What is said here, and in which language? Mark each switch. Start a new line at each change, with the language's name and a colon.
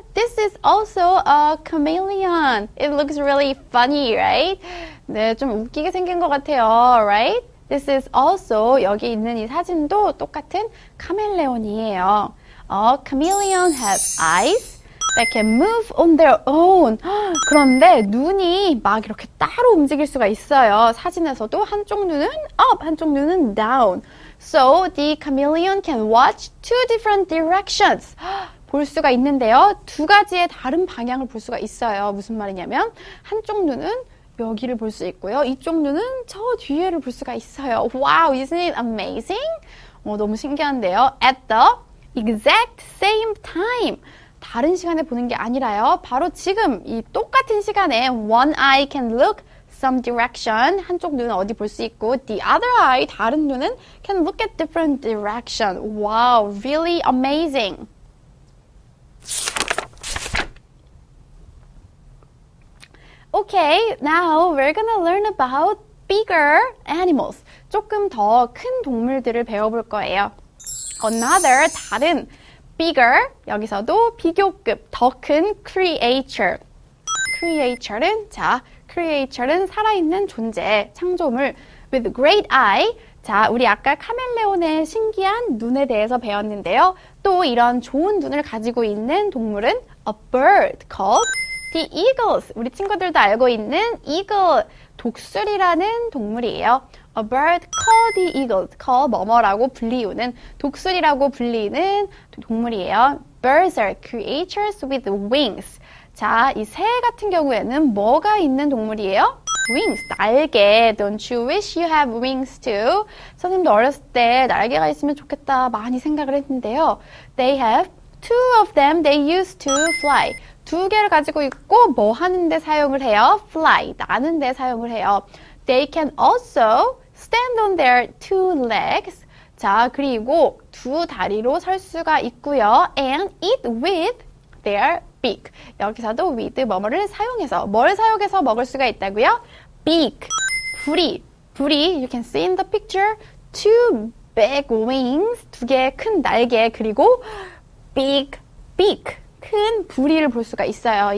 English: This is also a chameleon. It looks really funny, right?
Korean: 네, 좀 웃기게 생긴 것 같아요,
English: right? This is also,
Korean: 여기 있는 이 사진도 똑같은 카멜레온이에요.
English: A chameleon has eyes that can move on their own.
Korean: 그런데 눈이 막 이렇게 따로 움직일 수가 있어요. 사진에서도 한쪽 눈은 up, 한쪽 눈은 down.
English: So the chameleon can watch two different directions.
Korean: 볼 수가 있는데요. 두 가지의 다른 방향을 볼 수가 있어요. 무슨 말이냐면 한쪽 눈은 여기를 볼 수 있고요. 이쪽 눈은 저 뒤에를 볼 수가 있어요.
English: Wow, isn't it amazing?
Korean: 너무 신기한데요.
English: At the exact same time.
Korean: 다른 시간에 보는 게 아니라요. 바로 지금 이 똑같은 시간에
English: one eye can look some direction.
Korean: 한쪽 눈은 어디 볼 수 있고
English: the other eye,
Korean: 다른 눈은
English: can look at different direction. Wow, really amazing. Okay, now we're gonna learn about bigger animals.
Korean: 조금 더 큰 동물들을 배워볼 거예요. Another, 다른, bigger, 여기서도 비교급, 더 큰 creature. Creature는, 자, creature는 살아있는 존재, 창조물.
English: With great eye,
Korean: 자, 우리 아까 카멜레온의 신기한 눈에 대해서 배웠는데요. 또 이런 좋은 눈을 가지고 있는 동물은
English: a bird called The eagles,
Korean: 우리 친구들도 알고 있는 eagle, 독수리라는 동물이에요.
English: A bird called the eagles, called
Korean: 뭐뭐라고 불리우는, 독수리라고 불리는 동물이에요.
English: Birds are creatures with wings.
Korean: 자, 이 새 같은 경우에는 뭐가 있는 동물이에요?
English: Wings, 날개. Don't you wish you have wings too?
Korean: 선생님도 어렸을 때 날개가 있으면 좋겠다 많이 생각을 했는데요.
English: They have two of them, they used to fly.
Korean: 두 개를 가지고 있고 뭐 하는데 사용을 해요? Fly, 나는 데 사용을 해요.
English: They can also stand on their two legs.
Korean: 자, 그리고 두 다리로 설 수가 있고요.
English: And eat with their beak.
Korean: 여기서도 with 뭐뭐를 사용해서, 뭘 사용해서 먹을 수가 있다고요?
English: Beak, 부리. 부리, you can see in the picture, two big wings,
Korean: 두 개의 큰 날개, 그리고
English: big beak,
Korean: 큰 부리를 볼 수가 있어요.